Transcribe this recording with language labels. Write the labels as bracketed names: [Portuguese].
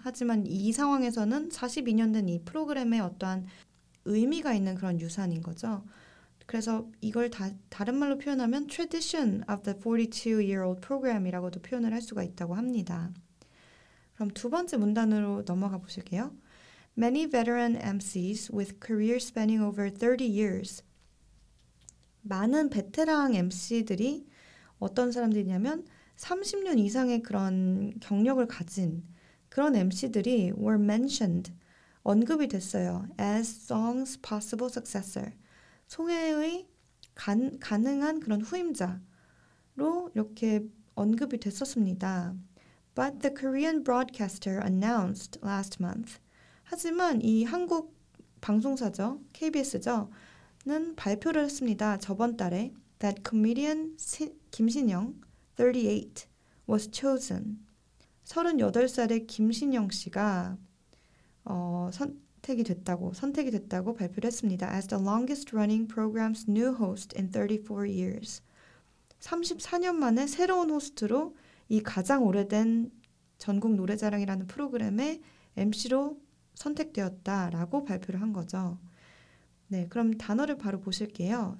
[Korean] 하지만 이 상황에서는 42년 된 이 프로그램에 어떠한 의미가 있는 그런 유산인 거죠. 그래서 이걸 다른 말로 표현하면 [English] tradition of the 42-year-old program [Korean] 이라고도 표현을 할 수가 있다고 합니다. 그럼 두 번째 문단으로 넘어가 보실게요. [English] Many veteran MCs with careers spanning over 30 years. [Korean] 많은 베테랑 MC들이 어떤 사람들이냐면 30년 이상의 그런 경력을 가진 그런 MC들이 [English] were mentioned, [Korean] 언급이 됐어요. [English] As Song's possible successor. [Korean] 송혜의 가능한 그런 후임자로 이렇게 언급이 됐었습니다. [English] But the Korean broadcaster announced last month. [Korean] 하지만 이 한국 방송사죠, KBS죠,는 발표를 했습니다. 저번 달에 [English] that comedian 김신영, 38, was chosen. [Korean] 38살의 김신영 씨가 선택이 됐다고 발표를 했습니다. [English] As the longest running program's new host in 34 years. [Korean] 34년 만에 새로운 호스트로 이 가장 오래된 전국 노래자랑이라는 프로그램의 MC로 선택되었다라고 발표를 한 거죠. 네, 그럼 단어를 바로 보실게요.